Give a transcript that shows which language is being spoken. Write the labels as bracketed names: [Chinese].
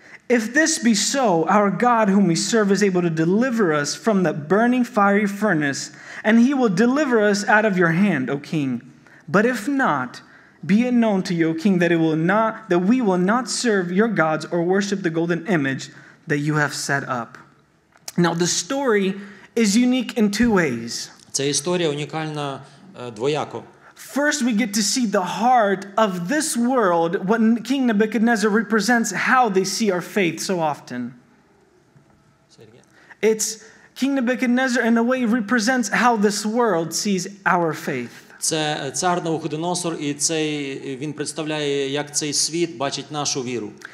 [English] If this be so, our God whom we serve is able to deliver us from the burning fiery furnace, and he will deliver us out of your hand, O king. But if not, be it known to you, O king, that it will not, that we will not serve your gods or worship the golden image that you have set up. Now the story is unique in two ways. [Ukrainian] Ця історія унікальна двояко. [English] First, we get to see the heart of this world, what King Nebuchadnezzar represents, how they see our faith so often. Say it again. It's King Nebuchadnezzar, in a way, represents how this world sees our faith. [Ukrainian] Це цар Навуходоносор, і цей він представляє, як цей світ бачить нашу віру.